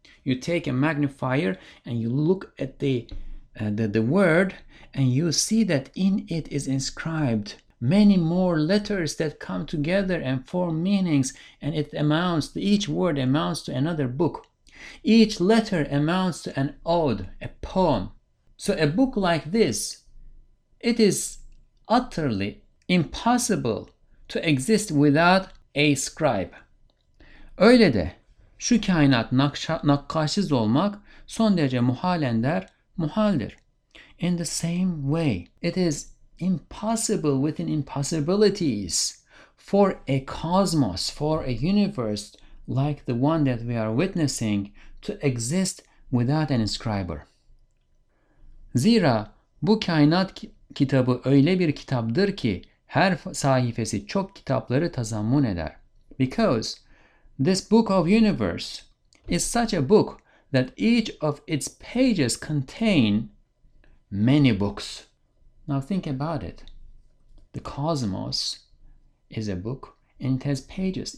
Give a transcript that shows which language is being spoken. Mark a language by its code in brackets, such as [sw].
[en] You take a magnifier and you look at the word and you see that in it is inscribed many more letters that come together and form meanings, and it amounts, each word amounts to another book. Each letter amounts to an ode, a poem. So a book like this, it is utterly impossible to exist without a scribe. [tr] Öyle de şu kainat nakkaşsız olmak son derece muhalender, muhaldir. [en] In the same way, it is impossible within impossibilities for a cosmos, for a universe like the one that we are witnessing to exist without an inscriber. [tr] Zira bu kainat kitabı öyle bir kitaptır ki her sayfası çok kitapları tazammun eder. [en] Because this book of universe is such a book that each of its pages contain many books. Now think about it. The cosmos is a book and it has pages.